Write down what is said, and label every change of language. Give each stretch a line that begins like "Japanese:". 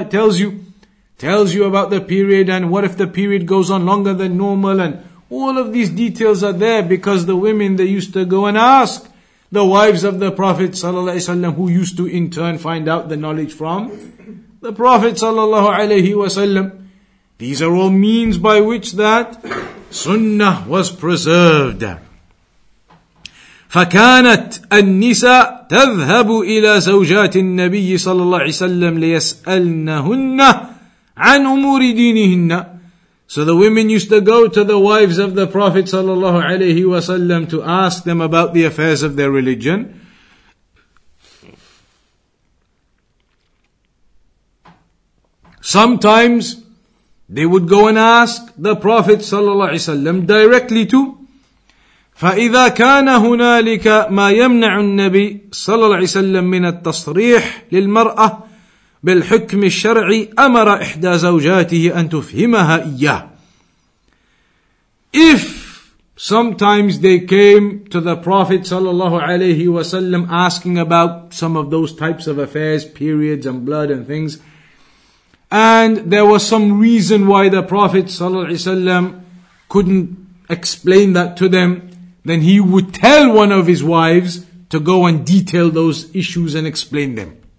English: It tells you about the period, and what if the period goes on longer than normal, and all of these details are there, because the women, they used to go and ask the wives of the Prophet ﷺ, who used to in turn find out the knowledge from the Prophet ﷺ. These are all means by which that sunnah was preserved.
Arabic: فكانت النساء تذهب إلى زوجات النبي صلى الله عليه وسلم ليسألنهن عن أمور دينهن.
English: So the women used to go to the wives of the Prophet sallallahu alaihi wasallam to ask them about the affairs of their religion. Sometimes they would go and ask the Prophet sallallahu alaihi wasallam directly too.
Arabic: فإذا كان هنالك ما يمنع النبي صلى الله عليه وسلم من التصريح للمرأة بالحكم الشرعي أمر إحدى زوجاته أن تفهمها إياه.
English: If sometimes they came to the Prophet sallallahu alaihi wasallam asking about some of those types of affairs, periods and blood and things, and there was some reason why the Prophet sallallahu alaihi wasallam couldn't explain that to them, then he would tell one of his wives to go and detail those issues and explain them.